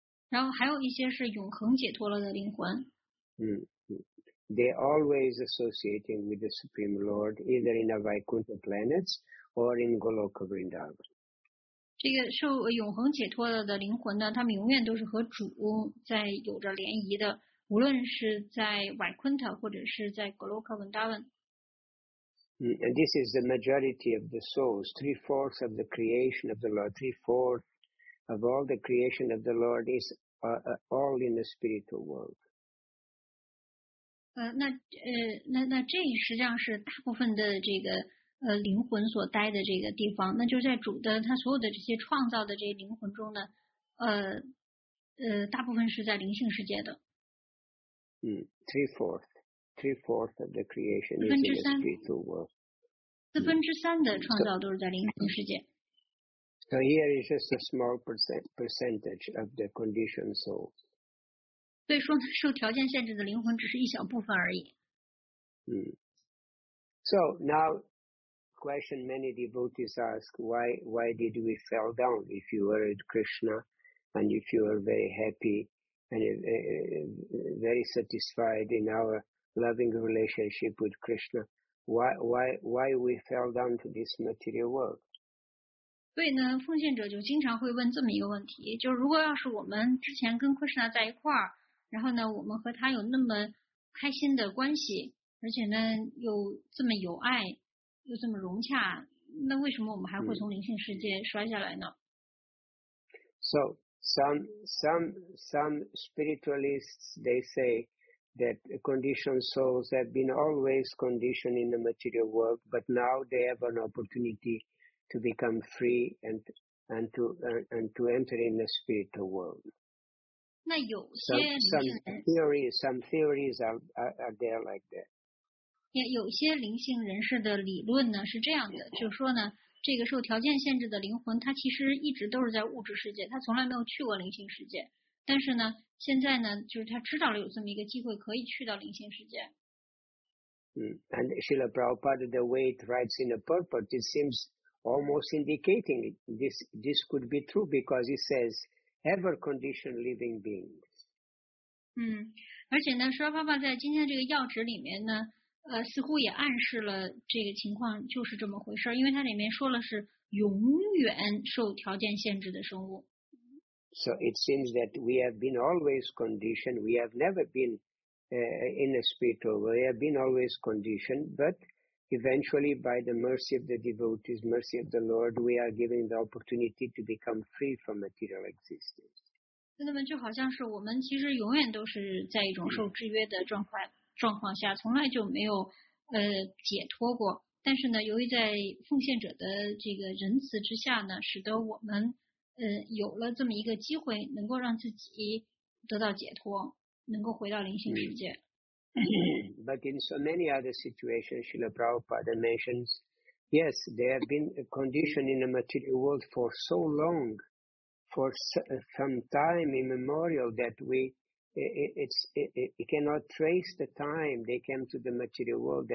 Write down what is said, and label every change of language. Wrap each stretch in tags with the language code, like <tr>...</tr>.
<zh>然后还有一些是永恒解脱了的灵魂。</zh> <en>They always associating with the Supreme Lord, either in the Vaikuntha planets or in Goloka Vrindavan.</en> <zh>这个受永恒解脱了的灵魂呢，他们永远都是和主在有着联谊的，无论是在 Vaikuntha 或者是在 Goloka Vrindavan。</zh> <en>And this is the majority of the souls, three-fourths of the creation of the Lord, three-fourths of all the creation of the Lord is all in the spiritual world.</en> <zh>那这实际上是大部分的这个灵魂所待的这个地方，那就是在主的他所有的这些创造的这些灵魂中呢，大部分是在灵性世界的。</zh> <en>Three fourths of the creation is in the spiritual world.</en> <zh>四分之三的创造都是在灵性世界。</zh> <en>So here is just a small percentage of the conditioned souls.</en> <zh>所以说受条件限制的灵魂只是一小部分而已。</zh> <en>So now, question many devotees ask, why did we fell down if you were at Krishna and if you were very happy and very satisfied in our loving relationship with Krishna? Why we fell down to this material world?</en> <zh>所以呢，奉献者就经常会问这么一个问题，就是如果要是我们之前跟 Krishna 在一块儿，然后呢，我们和他有那么开心的关系，而且呢又这么有爱，又这么融洽，那为什么我们还会从灵性世界摔下来呢？</zh> <en>So some spiritualists they say that conditioned souls have been always conditioned in the material world, but now they have an opportunity to become free and to enter in the spiritual world.</en> <zh>那有些</zh> <en>some theories are there like that.</en> <zh>有些灵性人士的理论呢是这样的，就是说呢，这个受条件限制的灵魂，他其实一直都是在物质世界，他从来没有去过灵性世界。但是呢，现在呢，就是他知道了有这么一个机会，可以去到灵性世界。</zh> <en>And Srila Prabhupada, the way it writes in the purport, it seems almost indicating this could be true because he says. Ever conditioned living beings.</en> <zh>而且呢，释迦牟尼佛在今天这个要旨里面呢，似乎也暗示了这个情况就是这么回事，因为它里面说了是永远受条件限制的生物。</zh> <en>So it seems that we have been always conditioned. We have never been in a spiritual world. We have been always conditioned, but eventually, by the mercy of the devotees, mercy of the Lord, we are given the opportunity to become free from material existence.</en> <zh>那么就好像是我们其实永远都是在一种受制约的状况下，从来就没有解脱过。但是呢，由于在奉献者的这个仁慈之下呢，使得我们有了这么一个机会，能够让自己得到解脱，能够回到灵性世界。</zh> <en>But in so many other situations, Srila Prabhupada mentions, yes, they have been conditioned in the material world for so long, for some time immemorial that it cannot trace the time they came to the material world.</en>